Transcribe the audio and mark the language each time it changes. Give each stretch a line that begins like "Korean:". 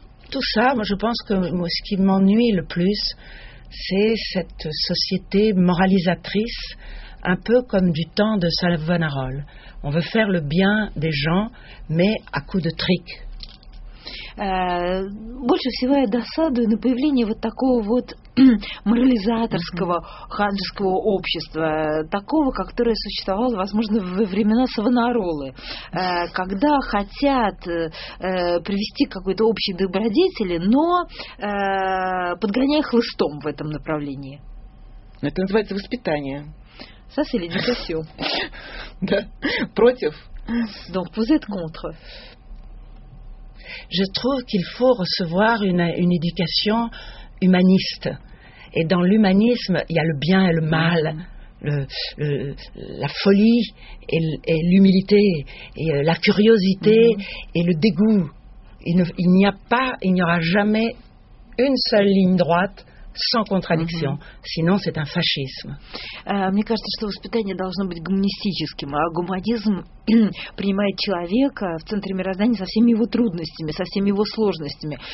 French: tout ça, moi je pense que moi, ce qui m'ennuie le plus, c'est cette société moralisatrice, un peu comme du temps de Savonarole. On veut faire le bien des gens, mais à coup de trick.
Russian: Больше всего я досадую на появление вот такого вот морализаторского ханжеского общества, такого, которое существовало, возможно, во времена Савонаролы, когда хотят привести какой-то общий добродетели, но подгоняя хлыстом в этом направлении. Это называется воспитание.
French: Ça, c'est l'éducation.
Russian: Да, против.
French: Donc, vous êtes contre. Je trouve qu'il faut recevoir une éducation humaniste. Et dans l'humanisme, il y a le bien et le mal, la folie et l'humilité, et la curiosité et le dégoût. Il n'y aura jamais une seule ligne droite sans contradiction. Sinon, c'est un fascisme.
Russian: Мне кажется, что воспитание должно быть гуманистическим, а гуманизм принимает человека в центре мироздания со всеми его трудностями, со всеми его сложностями.